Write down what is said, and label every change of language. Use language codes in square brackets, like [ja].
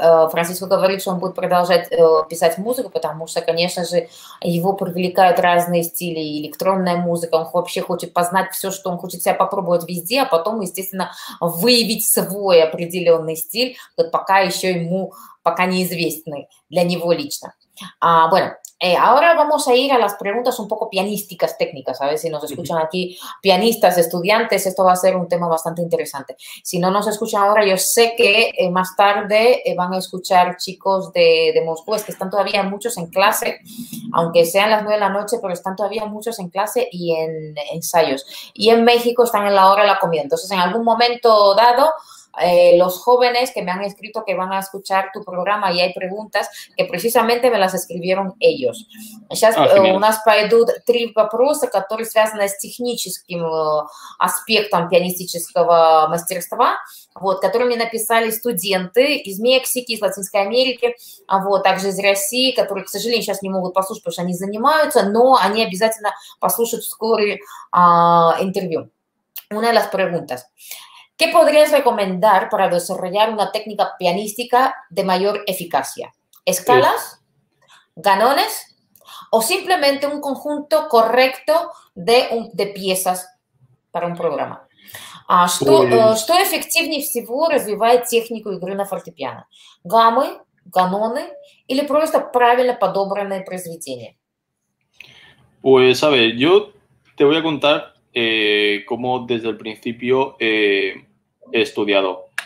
[ru] Франциско говорит, что он будет продолжать писать музыку, потому что, конечно же, его привлекают разные стили, электронная музыка, он вообще хочет познать все, что он хочет себя попробовать везде, а потом, естественно, выявить свой определенный стиль, вот пока еще ему, пока неизвестный для него лично. [es] Ahora vamos a ir a las preguntas un poco pianísticas, técnicas, a ver si nos escuchan aquí pianistas, estudiantes, esto va a ser un tema bastante interesante. Si no nos escuchan ahora, yo sé que más tarde van a escuchar chicos de Moscú, es que están todavía muchos en clase, aunque sean las 9 de la noche, pero están todavía muchos en clase y en ensayos. Y en México están en la hora de la comida, entonces en algún momento dado los jóvenes que me han escrito que van a escuchar tu programa, y hay preguntas que precisamente me las escribieron ellos. [ru] Сейчас у нас пойдут три вопроса, которые связаны с техническим аспектом пианистического мастерства, вот, которые мне написали студенты из Мексики, из Латинской Америки, вот, также из России, которые, к сожалению, сейчас не могут послушать, потому что они занимаются, но они обязательно послушают вскоре интервью. [es] Una de las preguntas. ¿Qué podrías recomendar para desarrollar una técnica pianística de mayor eficacia? ¿Escalas? ¿Ganones? ¿O simplemente un conjunto correcto de piezas para un programa? [ru] ¿Что эффективнее всего развивает технику игры на фортепиано? ¿Гаммы? ¿Ганоны? ¿Или просто правильно подобранные произведения? [es] Pues, a ver, yo te voy a contar cómo desde el principio he estudiado.